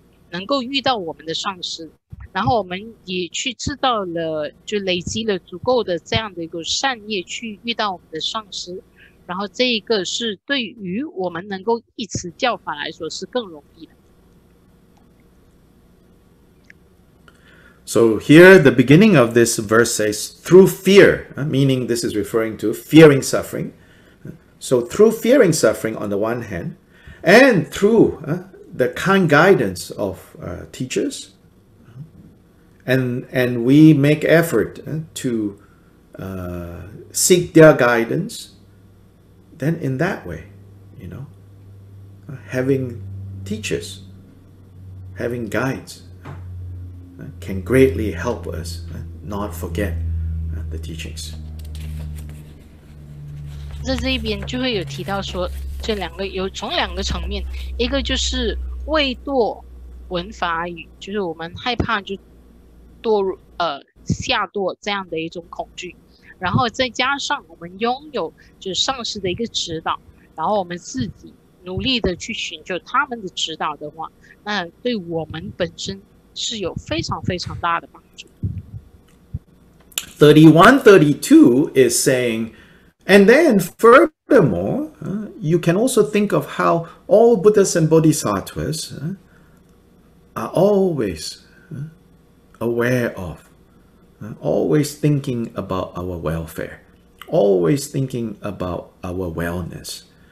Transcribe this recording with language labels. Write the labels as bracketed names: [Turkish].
[Chinese] 能够遇到我们的上师，然后我们也去制造了就累积了足够的这样的一个善业去遇到我们的上师，然后这一个是对于我们能够忆持教法来说是更容易的。 [English] So here the beginning of this verse says through fear, meaning this is referring to fearing suffering. So through fearing suffering on the one hand, and through the kind guidance of teachers, and we make effort to seek their guidance,then in that way, you know, having teachers, having guides, can greatly help us not forget the teachings. [Chinese] 在这一边就会有提到说，这两个有从两个层面，一个就是畏堕闻法语，就是我们害怕就堕入下堕这样的一种恐惧。然后再加上我们拥有就是上师的一个指导，然后我们自己努力的去寻求他们的指导的话，那对我们本身是有非常非常大的帮助。 [English] 31, 32 is saying, And then furthermore, you can also think of how all Buddhas and Bodhisattvas are always aware of, always thinking about our welfare, always thinking about our wellness.